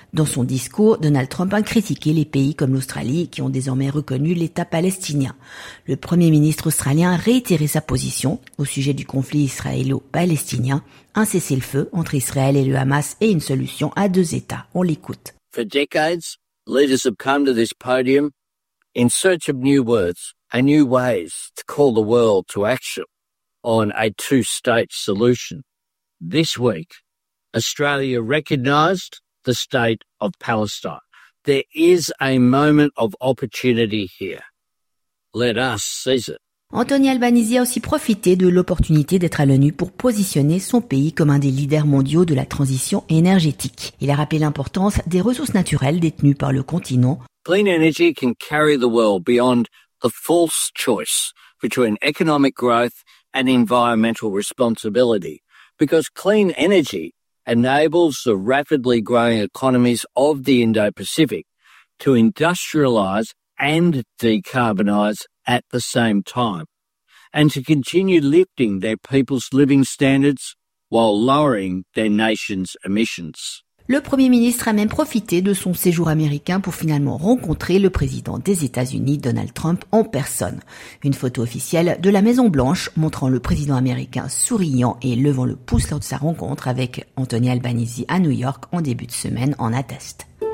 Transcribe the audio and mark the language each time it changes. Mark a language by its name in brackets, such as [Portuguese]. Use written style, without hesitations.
[French] Dans son discours, Donald Trump a critiqué les pays comme l'Australie qui ont désormais reconnu l'État palestinien. Le Premier ministre australien a réitéré sa position au sujet du conflit israélo-palestinien, un cessez-le-feu entre Israël et le Hamas et une solution à deux États. On l'écoute. [English] For decades, leaders have come to this podium in search of new words and new ways to call the world to action on a two-state solution. This week, Australia recognised the state of Palestine. There is a moment of opportunity here. Let us seize it. [French] Anthony Albanese a aussi profité de l'opportunité d'être à l'ONU pour positionner son pays comme un des leaders mondiaux de la transition énergétique. Il a rappelé l'importance des ressources naturelles détenues par le continent [English] Clean energy can carry the world beyond the false choice between economic growth and environmental responsibility, because clean energy enables the rapidly growing economies of the Indo-Pacific to industrialize and decarbonize at the same time, and to continue lifting their people's living standards while lowering their nation's emissions. [French] Le Premier ministre a même profité de son séjour américain pour finalement rencontrer le président des États-Unis, Donald Trump, en personne. Une photo officielle de la Maison Blanche montrant le président américain souriant et levant le pouce lors de sa rencontre avec Anthony Albanese à New York en début de semaine en atteste.